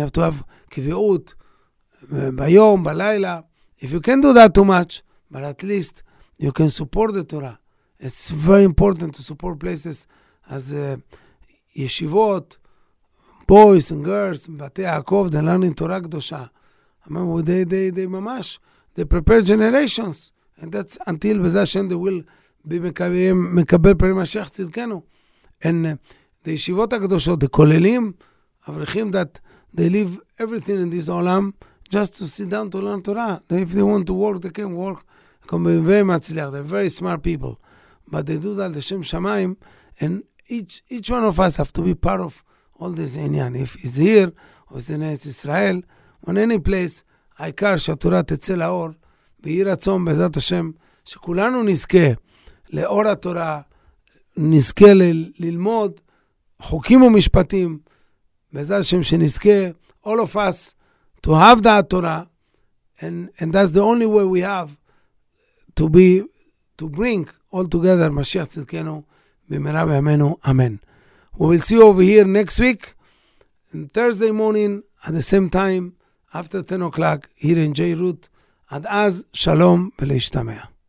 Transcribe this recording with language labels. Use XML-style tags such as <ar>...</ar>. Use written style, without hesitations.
<en>You have to have</en> <he>קביעות ביום, בלילה.</he> <en>If you can do that too much, but at least you can support the Torah. It's very important to support places as yeshivot, boys and girls, בתי יעקב, they learn in Torah קדושה. I mean, they ממש... They prepare generations, and that's until Bezashem they will be mekabel perim Hashem tzidkenu. And the yeshivot hakadoshot, the kolelim, avrichim that they leave everything in this olam just to sit down to learn Torah. And if they want to work, they can work. They can be very matzliach, they're very smart people. But they do that, Hashem Shamayim, and each one of us have to be part of all this inyan. If it's here, or it's in Israel, on any place,</en> <he>העיקר שהתורה תצא לאור, ויהי רצון בעזרת השם, שכולנו נזכה לאור התורה, נזכה ללמוד חוקים ומשפטים, בעזרת השם שנזכה,</he> <en>all of us, to have that Torah, and that's the only way we have to bring all together,</en> <he>משיח צדקנו, במהרה בימינו, אמן.</he> <en>We will see you over here next week, on Thursday morning, at the same time, after 10 o'clock, here in JRoot, and as, shalom, ve'leishtameah.</en>